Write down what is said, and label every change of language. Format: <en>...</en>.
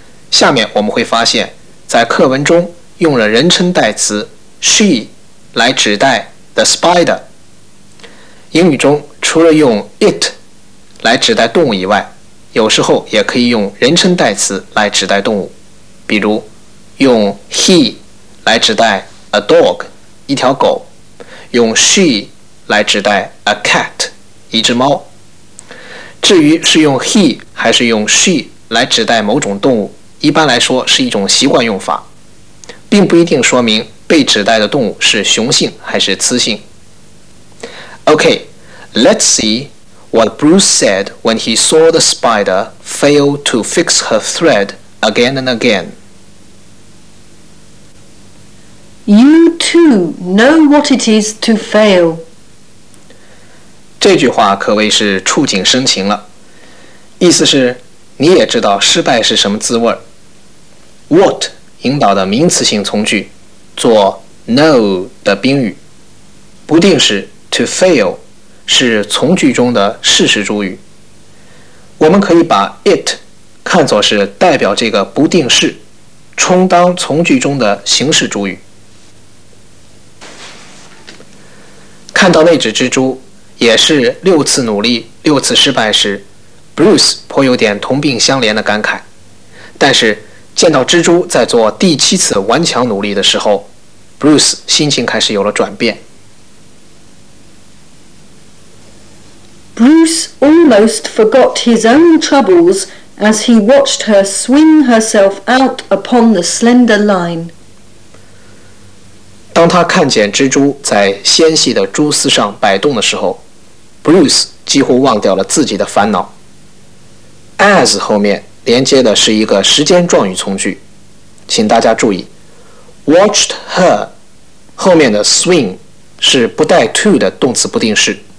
<zh>下面我们会发现，在课文中用了人称代词 she 来指代 the spider. 英语中除了用 it 来指代动物以外，有时候也可以用人称代词来指代动物，比如用 he 来指代 a dog 一条狗，用 she 来指代 a cat 一只猫。至于是用 he 还是用 she 来指代某种动物，一般来说是一种习惯用法，并不一定说明被指代的动物是雄性还是雌性。</zh> <en>OK, let's see what Bruce said when he saw the spider fail to fix her thread again and again. You too know what it is to fail.</en> <zh>这句话可谓是触景生情了，意思是你也知道失败是什么滋味。 What 引导的名词性从句做 know 的宾语，不定式 to fail 是从句中的事实主语。我们可以把 it 看作是代表这个不定式，充当从句中的形式主语。看到那只蜘蛛也是六次努力六次失败时， Bruce 颇有点同病相怜的感慨，但是见到蜘蛛在做第七次顽强努力的时候， Bruce 心情开始有了转变。</zh> <en>Bruce almost forgot his own troubles as he watched her swing herself out upon the slender line.</en> <zh>当他看见蜘蛛在纤细的蛛丝上摆动的时候，Bruce 几乎忘掉了自己的烦恼。 As 后面连接的是一个时间状语从句，请大家注意</zh> <en>watched her</en> <zh>后面的 swing 是不带 to 的动词不定式。</zh>